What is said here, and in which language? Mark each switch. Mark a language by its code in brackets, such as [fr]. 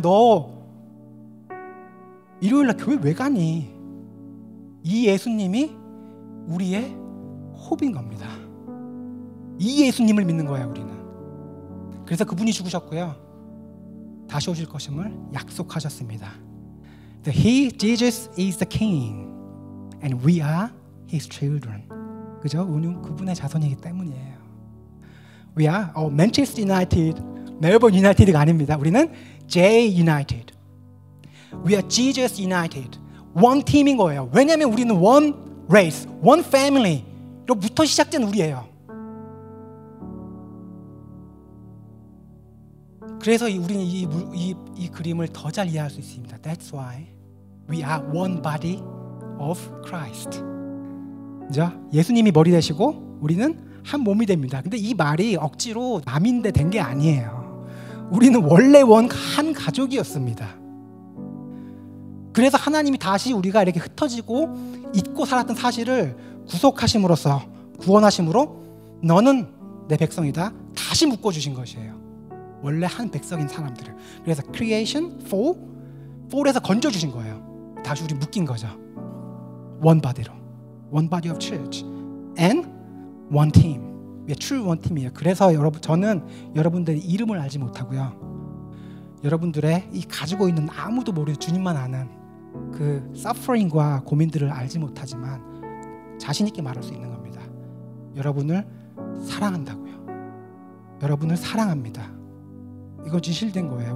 [ko] 너 일요일날 교회 왜 가니? 이 예수님이 우리의 호흡인 겁니다. 이 예수님을 믿는 거예요, 우리는. 그래서 그분이 죽으셨고요. 다시 오실 것임을 약속하셨습니다. [en] Jesus is the king and we are his children. [ko] 그죠? 그분의 자손이기 때문이에요. [en] We are Manchester United, Melbourne United가 [ko] 아닙니다. 우리는 [en] J United. We are Jesus United. One team인 거예요. [ko] 왜냐하면 우리는 [en] one race, one family [ko] 로부터 시작된 우리예요. 그래서 우리는 이 그림을 더 잘 이해할 수 있습니다. [en] That's why we are one body of Christ. [ko] 자, 예수님이 머리 되시고 우리는 한 몸이 됩니다. 근데 이 말이 억지로 남인데 된 게 아니에요. 우리는 원래 원 한 가족이었습니다. 그래서 하나님이 다시 우리가 이렇게 흩어지고 잊고 살았던 사실을 구속하심으로써 구원하심으로 너는 내 백성이다 다시 묶어주신 것이에요. 원래 한 백성인 사람들을 그래서 creation, fall에서 건져주신 거예요. 다시 우리 묶인 거죠. [en] One body로 One body of church and one team. We're true one team이에요. [ko] 그래서 여러분, 저는 여러분들의 이름을 알지 못하고요. 여러분들의 이 가지고 있는 아무도 모르는 주님만 아는 그 suffering과 고민들을 알지 못하지만 자신 있게 말할 수 있는 겁니다. 여러분을 사랑한다고요. 여러분을 사랑합니다. 이거 진실된 거예요.